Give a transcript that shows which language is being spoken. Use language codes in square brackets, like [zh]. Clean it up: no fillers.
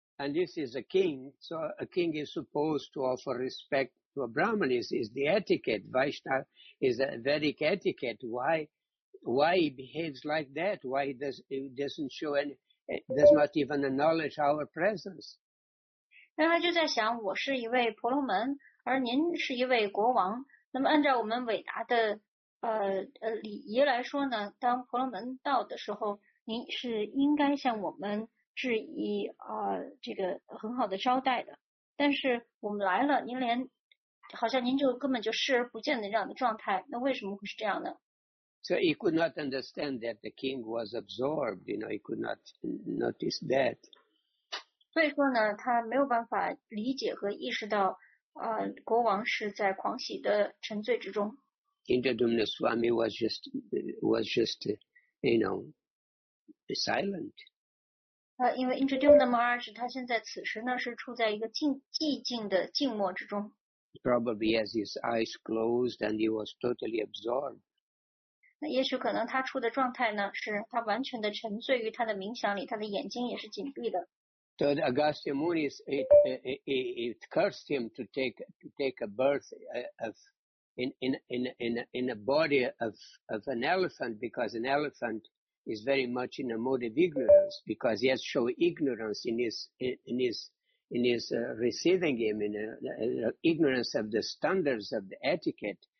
[en] And this is a king, so a king is supposed to offer respect to a Brahmin. Is the etiquette. Vaishnava is a Vedic etiquette. Why he behaves like that? Why he doesn't show any, does not even acknowledge our presence? [zh] 那他就在想，我是一位婆罗门，而您是一位国王。那么按照我们伟大的礼仪来说呢，当婆罗门到的时候，您是应该向我们是以这个很好的招待的，但是我们来了，您连好像您就根本就视而不见的这样的状态，那为什么会是这样呢？ [en] So he could not understand that the king was absorbed, you know, he could not notice that. [zh] 所以说呢，他没有办法理解和意识到国王是在狂喜的沉醉之中。 [en] Indradyumna Swami was just, you know, silent. [zh] 因为 Indradyumna Maharaj 他现在此时呢是处在一个寂静的静默之中。 [en] Probably has his eyes closed and he was totally absorbed. [zh] 那也许可能他处的状态呢，是他完全的沉醉于他的冥想里，他的眼睛也是紧闭的。 [en] Third, Agastya Muni, it cursed him to take a birth of in a body of an elephant, because an elephant is very much in a mode of ignorance, because he has shown ignorance in his receiving him, ignorance of the standards of the etiquette.